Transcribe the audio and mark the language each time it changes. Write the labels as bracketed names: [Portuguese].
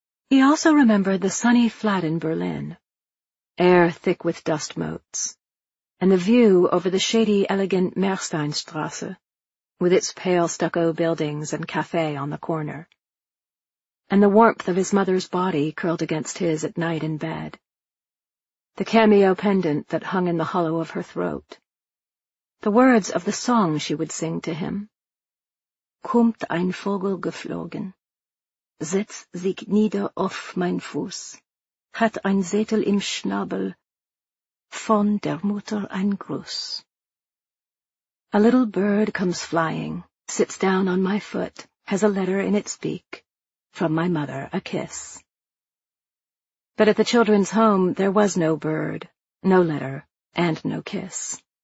[English] He also remembered the sunny flat in Berlin, air thick with dust motes, and the view over the shady, elegant Mersteinstrasse, with its pale stucco buildings and café on the corner, and the warmth of his mother's body curled against his at night in bed, the cameo pendant that hung in the hollow of her throat, the words of the song she would sing to him. [German] Kommt ein Vogel geflogen, setzt sich nieder auf mein Fuß, hat ein Sätel im Schnabel, von der Mutter ein Gruß. [English] A little bird comes flying, sits down on my foot, has a letter in its beak, from my mother a kiss. But at the children's home there was no bird, no letter, and no kiss.